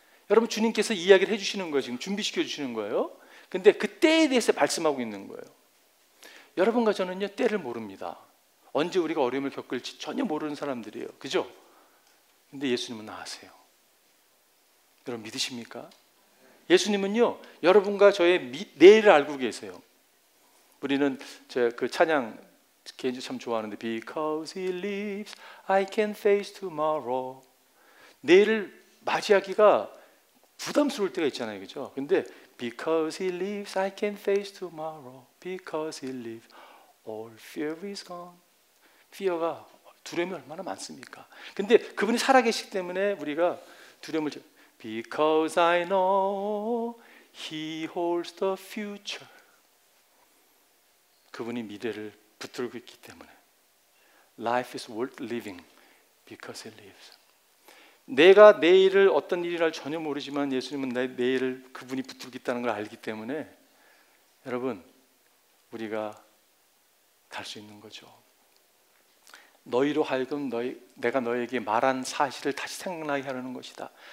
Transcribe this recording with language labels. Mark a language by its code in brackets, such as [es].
[ko] 여러분 주님께서 이야기를 해주시는 거예요. 지금 준비시켜주시는 거예요. 근데 그 때에 대해서 말씀하고 있는 거예요. 여러분과 저는요, 때를 모릅니다. 언제 우리가 어려움을 겪을지 전혀 모르는 사람들이에요. 그죠? 근데 예수님은 나아세요. 여러분 믿으십니까? 예수님은요, 여러분과 저의 내일을 알고 계세요. 우리는 그 찬양 개인적으로 참 좋아하는데 [en] Because he lives, I can face tomorrow. [ko] 내일을 맞이하기가 부담스러울 때가 있잖아요, 그죠? [en] 근데 Because he lives, I can face tomorrow. Because he lives, all fear is gone. [ko] Fear가 두려움이 얼마나 많습니까? 근데 그분이 살아계시기 때문에 우리가 두려움을 [en] Because I know he holds the future. [ko] 그분이 미래를 붙들고 있기 때문에 [en] Life is worth living because he lives. [ko] 내가 내일을 어떤 일이 날 전혀 모르지만 예수님은 내 내일을 그분이 붙들고 있다는 걸 알기 때문에 여러분 우리가 갈 수 있는 거죠. 너희로 하여금 내가 너에게 말한 사실을 다시 생각나게 하려는 것이다.